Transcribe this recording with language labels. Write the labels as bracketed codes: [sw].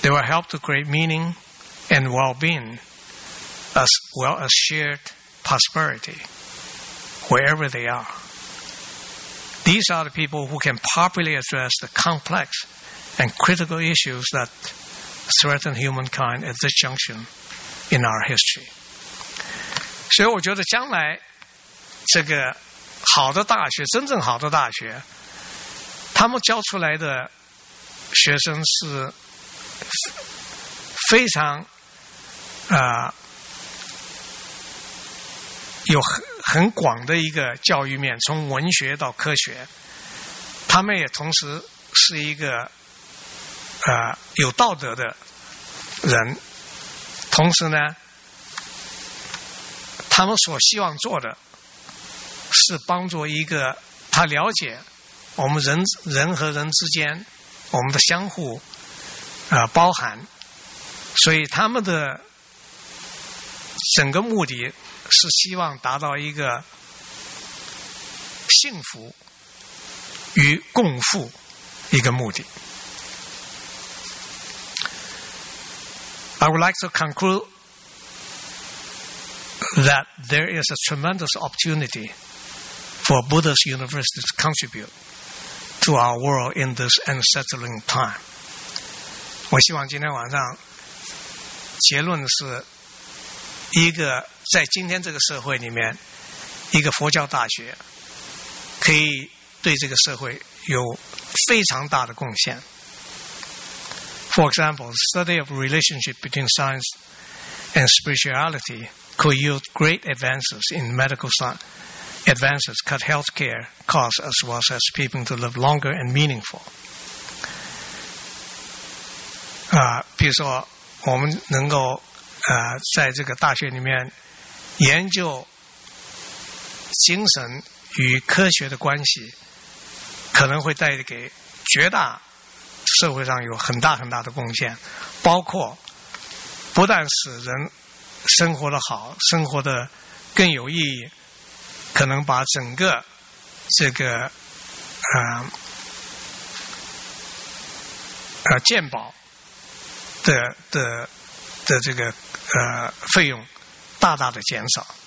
[en] They will help to create meaning and well-being as well as shared prosperity wherever they are. These are the people who can properly address the complex and critical issues that threaten humankind at this junction in our history. [zh] 所以我觉得将来这个好的大学，真正好的大学，他们教出来的学生是非常有很广的一个教育面，从文学到科学，他们也同时是一个有道德的人，同时呢，他们所希望做的是帮助一个他了解我们人和人之间我们的相互包含，所以他们的整个目的是希望达到一个幸福与共富一个目的。 [en] I would like to conclude that there is a tremendous opportunity for Buddhist universities to contribute to our world in this unsettling time. [zh] 我希望今天晚上结论是一个在今天这个社会里面，一个佛教大学可以对这个社会有非常大的贡献。 [en] For example, the study of relationship between science and spirituality could yield great advances in medical science, advances cut healthcare costs as well as people to live longer and meaningful. [zh] 比如说我们能够在这个大学里面研究精神与科学的关系，可能会带给绝大社会上有很大很大的贡献，包括不但使人生活的好，生活的更有意义，可能把整个这个健保的这个费用大大的减少。